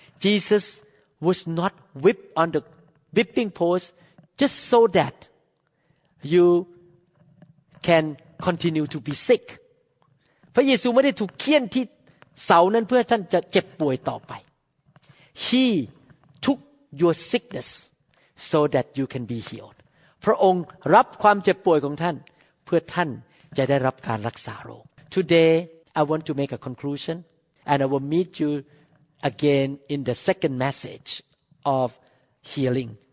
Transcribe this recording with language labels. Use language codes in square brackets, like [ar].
[en] Jesus was not whipped on the whipping post just so that you can continue to be sick. [th] พระเยซูไม่ได้ถูกเฆี่ยนที่เสานั้นเพื่อท่านจะเจ็บป่วยต่อไป [en] He took your sickness so that you can be healed. [th] พระองค์รับความเจ็บป่วยของท่านเพื่อท่านจะได้รับการรักษาโรค [en] Today I want to make a conclusion and I will meet you again in the second message of healing.